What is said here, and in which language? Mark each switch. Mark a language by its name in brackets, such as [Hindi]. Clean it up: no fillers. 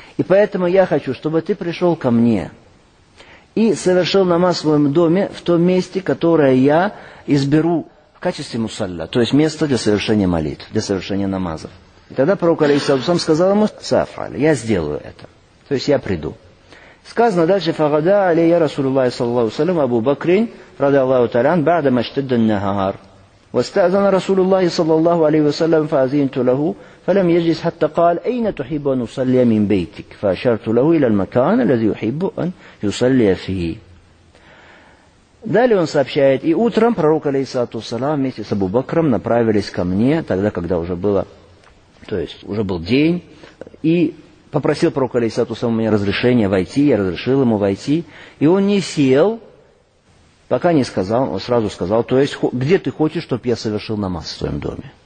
[Russian] И поэтому я хочу, чтобы ты пришел ко мне и совершил намаз в своем доме в том месте, которое я изберу в качестве мусалля, то есть место для совершения молитв, для совершения намазов. И тогда пророк алейхиссалям сказал ему, «Сафаль, я сделаю это, то есть я приду». Сказано дальше, [Arabic] «Фагада алейя Расулуллахи саллаллаху салям Абу Бакрин, рады Аллаху талян, бада маштиддан нахар». واستأذن رسول الله صلى الله عليه وسلم فأذنت له فلم يجلس حتى قال أين تحب أن أصلي من بيتك فأشرت له إلى المكان الذي يحب أن يصلي فيه. [Russian] Далее он сообщает, и утром пророк алейхиссалату вассалям вместе с Абу Бакром направились ко мне, тогда, когда уже было, то есть уже был день, и попросил пророк алейхиссалату вассалям у меня разрешения войти, я разрешил ему войти, и он не сел, пока не сказал, он сразу сказал, то есть, где ты хочешь, чтобы я совершил намаз в твоем доме?